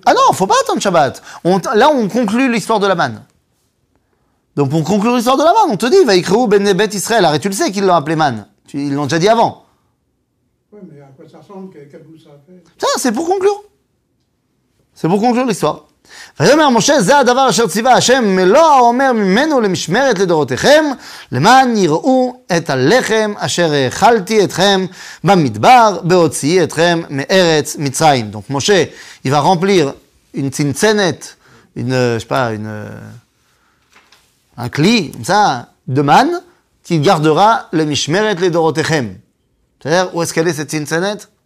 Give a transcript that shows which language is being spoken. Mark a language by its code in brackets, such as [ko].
[fr] Ah non, il ne faut pas attendre le Shabbat. Là, on conclut l'histoire de la manne. Donc, pour conclure l'histoire de la manne, on te dit, va écrire au Beth Israël. Arrête, tu le sais qu'ils l'ont appelé manne. Ils l'ont déjà dit avant. Oui, mais à quoi ça ressemble? Quel bout ça a fait? Ça, c'est pour conclure. C'est pour conclure l'histoire. [he] ויאמר משה זה הדבר אשר ציווה השם מלוא האומר ממנו למשמרת לדורותיכם למען יראו את הלחם אשר אכלתי אתכם במדבר בהוציאי אתכם מארץ מצרים. [fr] Donc Moshe il va remplir une tzinzenet, une je sais pas une un kli comme ça de man qui gardera le mishmeret ledorotechem. C'est-à-dire où est-ce qu'elle est cette tzinzenet?